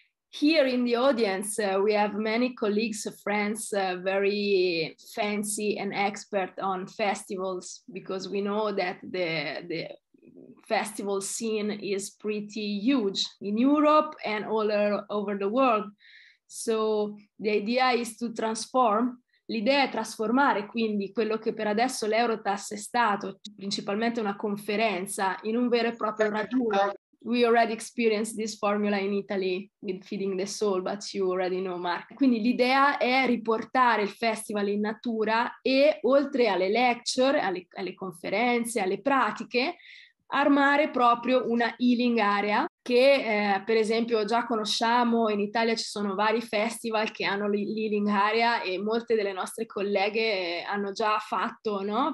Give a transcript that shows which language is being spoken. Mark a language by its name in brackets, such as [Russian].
[English] Here in the audience, we have many colleagues, friends, very fancy and expert on festivals, because we know that the festival scene is pretty huge in Europe and all over the world. So the idea is to transform. [Italian] L'idea è trasformare quindi quello che per adesso l'Eurotas è stato, principalmente una conferenza, in un vero e proprio raduno. [English] We already experienced this formula in Italy with Feeding the Soul, but you already know, Mark. [Italian] Quindi l'idea è riportare il festival in natura e, oltre alle lecture, alle conferenze, alle pratiche, armare proprio una healing area che, per esempio, già conosciamo. In Italia ci sono vari festival che hanno l'healing area e molte delle nostre colleghe hanno già fatto, no?